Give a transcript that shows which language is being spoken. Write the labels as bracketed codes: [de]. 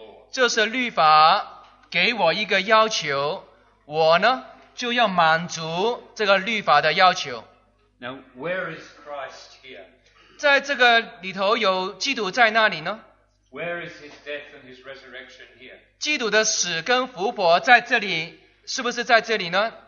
[zh] 这是律法给我一个要求，我呢就要满足这个律法的要求。 [en] Now, where is Christ here? [zh] 在这个里头有基督在那里呢？ [en] Where is his death and his resurrection here? [zh] 基督的死跟复活在这里，是不是在这里呢？